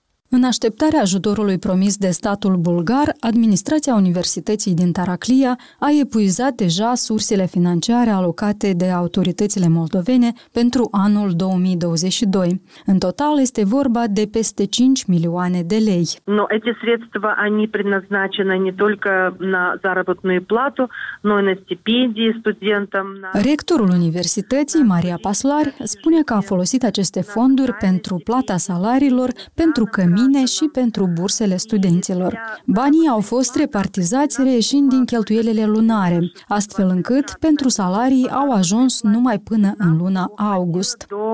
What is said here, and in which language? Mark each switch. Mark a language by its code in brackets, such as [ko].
[ro] În așteptarea ajutorului promis de statul bulgar, administrația Universității din Taraclia a epuizat deja sursele financiare alocate de autoritățile moldovene pentru anul 2022. În total este vorba de peste 5 milioane de lei. [ru] Но эти средства они предназначены не только на заработную плату, но и на стипендии студентам. [ro] Ректорul Universității, Maria Paslar, spune că a folosit aceste fonduri pentru plata salariilor, pentru că mine și pentru bursele studenților. Banii au fost repartizați reieșind din cheltuielile lunare, astfel încât pentru salarii au ajuns numai până în luna august.